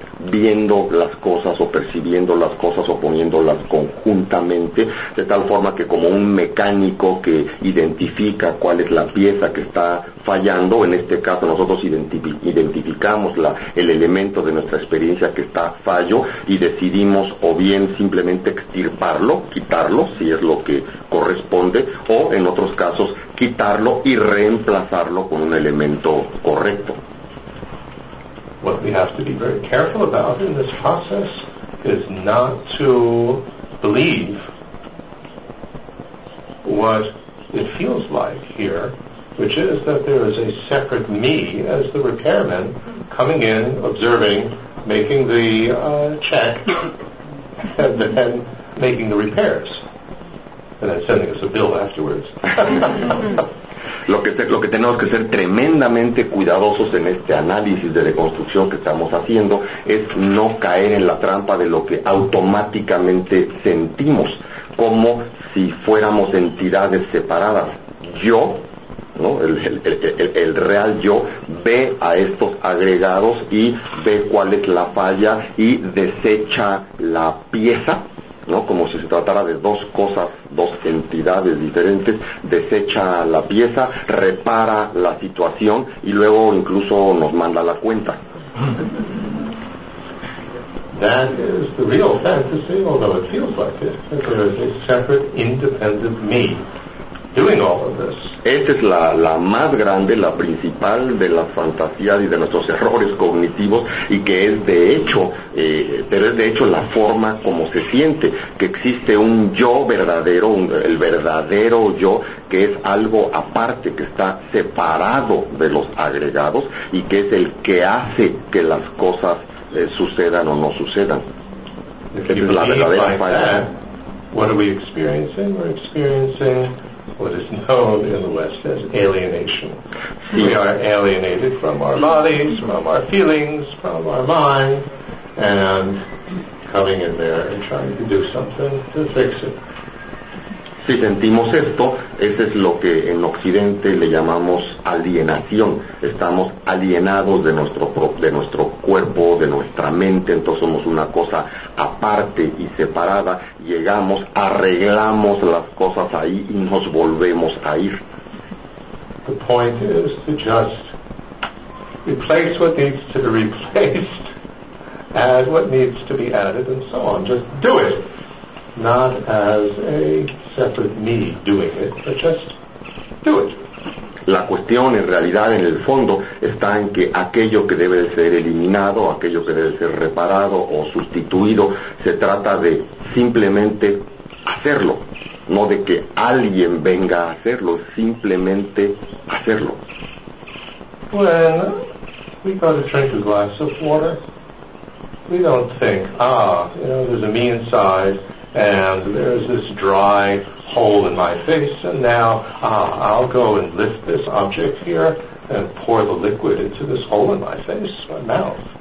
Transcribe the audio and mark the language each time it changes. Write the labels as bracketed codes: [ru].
[es] viendo las cosas o percibiendo las cosas o poniéndolas conjuntamente, de tal forma que como un mecánico que identifica cuál es la pieza que está fallando, en este caso nosotros identificamos el elemento de nuestra experiencia que está fallo y decidimos o bien simplemente extirparlo, quitarlo, si es lo que corresponde, o en otros casos quitarlo y reemplazarlo con un elemento correcto. [en] What we have to be very careful about in this process is not to believe what it feels like here, which is that there is a separate me as the repairman coming in, observing, making the check, and then making the repairs, and then sending us a bill afterwards. [es] Lo que tenemos que ser tremendamente cuidadosos en este análisis de reconstrucción que estamos haciendo es no caer en la trampa de lo que automáticamente sentimos, como si fuéramos entidades separadas. Yo, ¿no? El real yo, ve a estos agregados y ve cuál es la falla y desecha la pieza, ¿no? Como si se tratara de dos cosas, dos entidades diferentes, desecha la pieza, repara la situación y luego incluso nos manda la cuenta. [en] That is the real fantasy, although it feels like it, that there is a separate, independent me doing all of this. [es] Esta es la más grande, la principal de las fantasías y de nuestros errores cognitivos, y que es de hecho, pero es de hecho la forma como se siente, que existe un yo verdadero, el verdadero yo, que es algo aparte, que está separado de los agregados, y que es el que hace que las cosas sucedan o no sucedan. Es la verdadera falla. [en] What are we experiencing? We're experiencing what is known in the West as alienation. [es] Sí. [en] We are alienated from our bodies, from our feelings, from our mind, and coming in there and trying to do something to fix it. [es] Si sentimos esto, ese es lo que en Occidente le llamamos alienación. Estamos alienados de nuestro cuerpo, de nuestra mente, entonces somos una cosa aparte y separada. Llegamos, arreglamos las cosas ahí y nos volvemos a ir. [en] The point is to just replace what needs to be replaced, add what needs to be added, and so on. Just do it. Not as a separate me doing it, but just do it. [es] La cuestión en realidad, en el fondo, está en que aquello que debe ser eliminado, aquello que debe ser reparado o sustituido, se trata de simplemente hacerlo, no de que alguien venga a hacerlo, simplemente hacerlo. [en] When we go to drink a glass of water, we don't think, there's a me inside, and there's this dry hole in my face, and now I'll go and lift this object here and pour the liquid into this hole in my face, my mouth.